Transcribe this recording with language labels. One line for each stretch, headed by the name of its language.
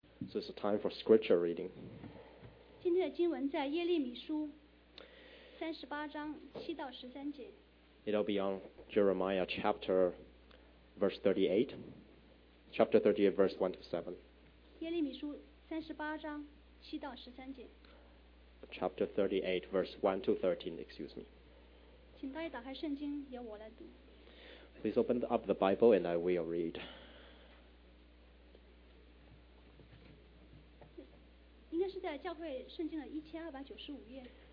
English: So it's a time for scripture reading.
Chinese: 今天的经文在耶利米书三十八章七到十三节。
English: It'll be on Jeremiah chapter verse 38, chapter 38, verse 1 to 7.
Chinese: 耶利米书三十八章七到十三节。
English: Chapter 38, verse 1 to 13, excuse me.
Chinese: 请大家打开圣经，由我来读。
English: Please open up the Bible and I will read.
Chinese: 应该是在教会圣经的一千二百九十五页。